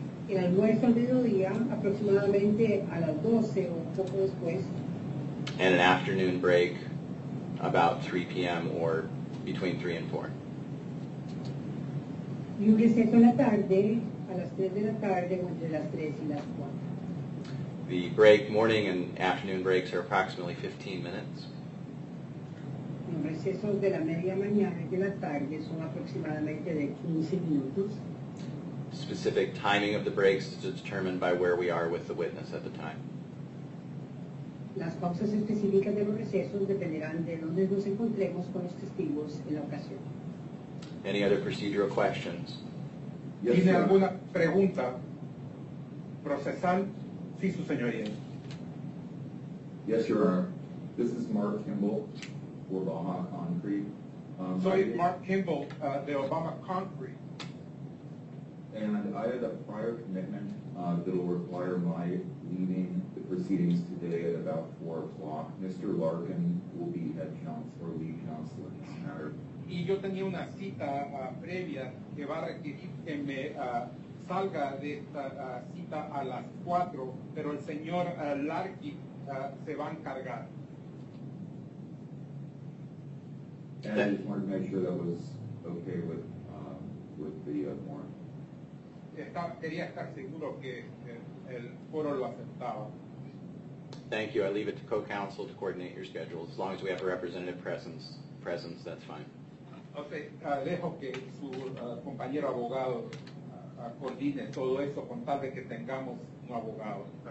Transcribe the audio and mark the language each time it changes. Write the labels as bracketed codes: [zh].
[es] El almuerzo al mediodía, aproximadamente a las 12 o poco después. [en] And an afternoon break, about 3 p.m. or between 3 and 4. [es] Y un receso en la tarde, a las 3 de la tarde, o entre las 3 y las 4. [en] The break, morning and afternoon breaks, are approximately 15 minutes. [es] Un receso eso de la media mañana y de la tarde son aproximadamente de 15 minutos. [en] Specific timing of the breaks is determined by where we are with the witness at the time. [es] Las pausas específicas de los recesos dependerán de donde nos encontremos con los testigos en la ocasión. [en] Any other procedural questions? Yes, [es] ¿tiene alguna pregunta procesal? Sí, su señoría. [en] Yes, Your Honor. This is Mark Kimball for Obama Concrete. Mark Kimball, the Obama Concrete. And I had a prior commitment that will require my leaving the proceedings today at about 4 o'clock. Mr. Larkin will be head counsel or lead counsel in this matter. [es] Y yo tenía una cita previa que va a requerir que me salga de esta cita a las 4, pero el señor Larkin se va a encargar. [en] And I just wanted to make sure that was okay with the board. [es] Quería estar seguro que el foro lo aceptaba. [en] Thank you. I leave it to co-counsel to coordinate your schedule. As long as we have a representative presence, that's fine. [es] Okay, dejo que su compañero abogado coordine todo eso con tal de que tengamos un abogado.